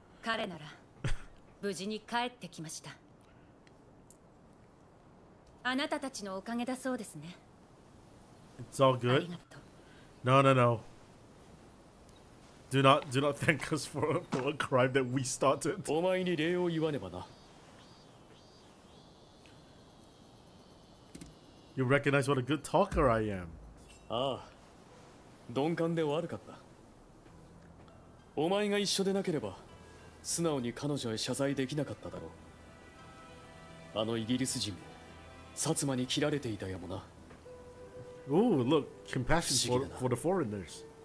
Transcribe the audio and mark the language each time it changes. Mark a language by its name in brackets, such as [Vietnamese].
[Japanese] 彼なら無事に帰ってきました。あなたたちのおかげだそうですね。 [English] It's all good. No, no, no. Do not thank us for a crime that we started. [Japanese] お前に礼を言わねばな。 [English] You recognize what a good talker I am. [Japanese] ああ、鈍感で悪かった。お前が一緒でなければ、素直に彼女へ謝罪できなかっただろう。あのイギリス人も、薩摩に切られていたやもな。 [English] Oh, look, compassion for the foreigners.